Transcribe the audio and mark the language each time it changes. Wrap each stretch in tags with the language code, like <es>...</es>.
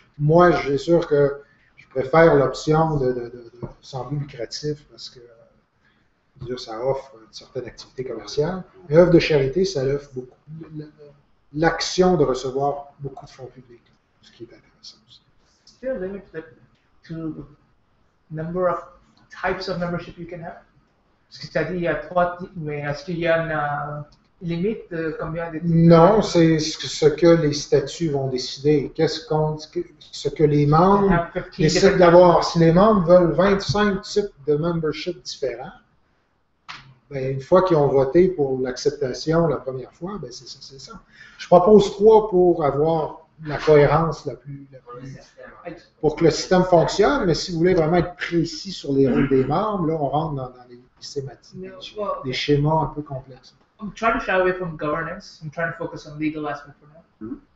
<fr>Moi, je suis sûr que je préfère l'option de sans but lucratif parce que ça offre une certaine activité commerciale. Une œuvre de charité, ça offre beaucoup l'action de recevoir beaucoup de fonds publics, ce qui est intéressant aussi.</fr> <en>Is there a limit to number of types of membership you can have?</en> <fr>Est-ce que tu as dit il y a trois types, mais est-ce qu'il y a une limite de combien de types? Non, c'est ce que les statuts vont décider. Ce que les membres décident d'avoir. Si les membres veulent 25 types de membership différents, ben, une fois qu'ils ont voté pour l'acceptation la première fois, ben c'est ça. Je propose trois pour avoir la cohérence la plus pour que le système fonctionne, mais si vous voulez vraiment être précis sur les rôles des membres, là, on rentre dans les systématiques, des schémas un peu complexes.</fr> <en>I'm trying to shy away from governance. I'm trying to focus on legal aspect for now.</en>